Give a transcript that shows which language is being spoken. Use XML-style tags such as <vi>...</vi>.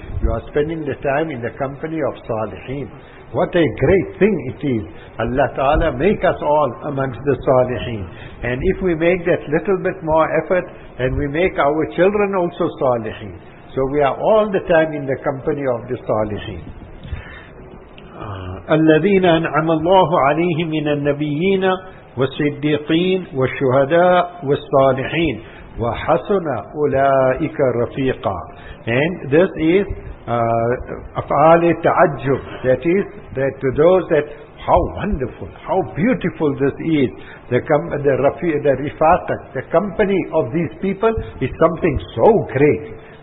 <en>You are spending the time in the company of Saliheen. What a great thing it is. Allah Ta'ala make us all amongst the Saliheen. And if we make that little bit more effort, and we make our children also Saliheen. So we are all the time in the company of the Saliheen.</en> <ar>الذين أنعم الله عليهم من النبيين والصديقين والشهداء والصالحين وحسن أولئك رفيقا.</ar> <en>And this is أفعال التعجب. That is that to those that how wonderful, how beautiful this is. The رفاقة, the company of these people is something so great.</en>